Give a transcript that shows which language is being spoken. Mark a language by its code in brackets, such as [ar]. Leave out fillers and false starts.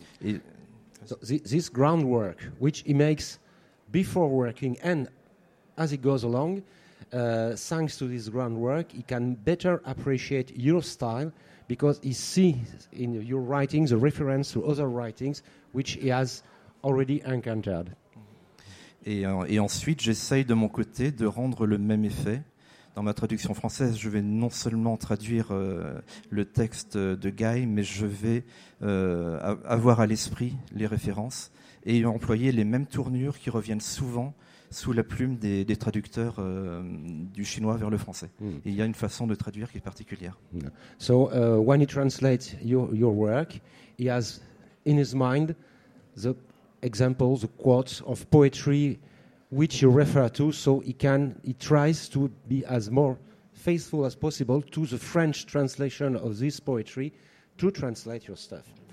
[en] Et so this groundwork, which he makes before working and as he goes along, thanks to this groundwork, he can better appreciate your style, because he sees in your writings a reference to other writings which he has already encountered. [fr] Et ensuite, j'essaye de mon côté de rendre le même effet. Dans ma traduction française, je vais non seulement traduire le texte de Guy, mais je vais avoir à l'esprit les références et employer les mêmes tournures qui reviennent souvent sous la plume des traducteurs du chinois vers le français. Mm. Il y a une façon de traduire qui est particulière. [en] Yeah. So when he translates your work, he has in his mind the examples, the quotes of poetry which you refer to, so he tries to be as more faithful as possible to the French translation of this poetry to translate your stuff.